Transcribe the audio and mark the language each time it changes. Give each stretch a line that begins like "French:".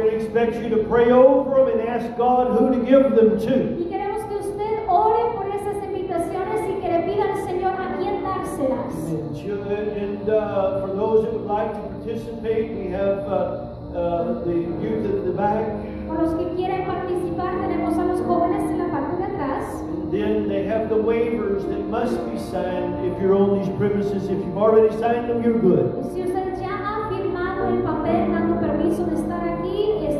English: Expect you to pray over them and ask God who to give them to.
Spanish: Y queremos que usted ore por esas invitaciones y que le pida al Señor a quién dárselas.
English: Amen. And for those that would like to participate, we have the youth at the back.
Spanish: Para los que quieren participar, tenemos a los jóvenes en la parte de atrás.
English: And then they have the waivers that must be signed if you're on these premises. If you've already signed them, you're good.
Spanish: Y si usted ya ha firmado el papel dando permiso de estar aquí,